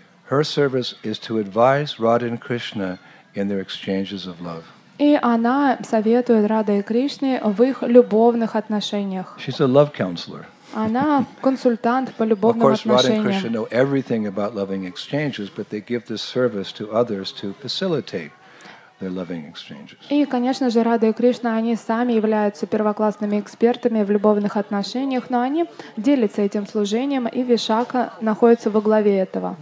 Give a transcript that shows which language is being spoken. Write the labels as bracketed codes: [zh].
[en] Her service is to advise Radha and Krishna in their exchanges of love. [ru] И она советует Радхе и Кришне в их любовных отношениях. [en] She's a love counselor. [ru] Она консультант по любовным отношениям. [en] Of course, Radha and Krishna know everything about loving exchanges, but they give this service to others to facilitate their loving exchanges. [ru] И, конечно же, Радха и Кришна, они сами являются первоклассными экспертами в любовных отношениях, но они делятся этим служением, и Вишакха находится во главе этого.